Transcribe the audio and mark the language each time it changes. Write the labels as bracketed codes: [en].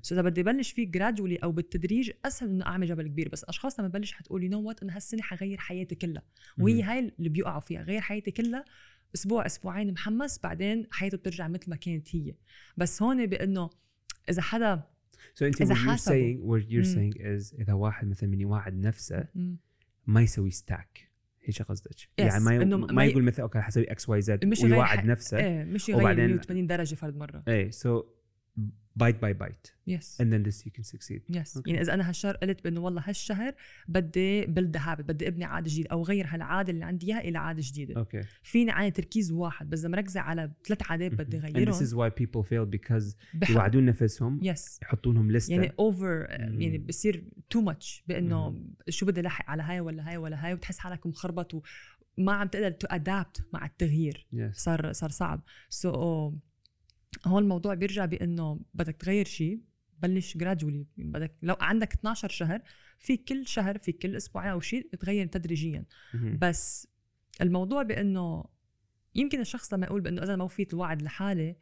[ar] سو إذا بدي بلش فيه gradually أو بالتدريج أسهل إنه أعمل جبل كبير بس أشخاص لما بلش هتقول [en] you know what [ar] أنا هالسنة حغير حياتي كلها وهي هاي اللي بيقعوا فيها غير حياتي كلها أسبوع أسبوعين محمس بعدين حياته بترجع مثل ما كانت هي بس هون بأنه إذا حدا [en] So what you're saying, is [ar] إذا واحد مثلاً مني واحد نفسه ما يسوي stack هي شو قصدك؟ يعني ما يقول مثلاً أوكي حسوي X Y Z ويواعد نفسه مش يغير 180 درجة فرد مرة. [en] إيه so bite by bite. Yes. And then this you can succeed. Yes. Okay. [ar] يعني إذا أنا هالشهر قلت بأنه والله هالشهر بدي [en] build the habit [ar] بدي أبني عادة جديدة أو غير هالعادة اللي عندي إياها إلى عادة جديدة. [en] Okay. [ar] فيني أنا تركيز واحد بس مركزة على ثلاث عادات بدي أغيرهم. [en] And this is why people fail because [ar] يوعدون نفسهم. [en] Yes. [ar] يحطونهم لستة. يعني over يعني بصير [en] too much [ar] بأنه شو بدي لحق على هاي ولا هاي ولا هاي وتحس حالك مخربط وما عم تقدر [en] to adapt [ar] مع التغيير. [en] Yes. [ar] صار صعب. So هون الموضوع بيرجع بانه بدك تغير شيء بلش جرادولي بدك لو عندك 12 شهر في كل شهر في كل اسبوعين او شيء تغير تدريجيا بس الموضوع بانه يمكن الشخص لما يقول بانه اذا ما وفيت الوعد لحالي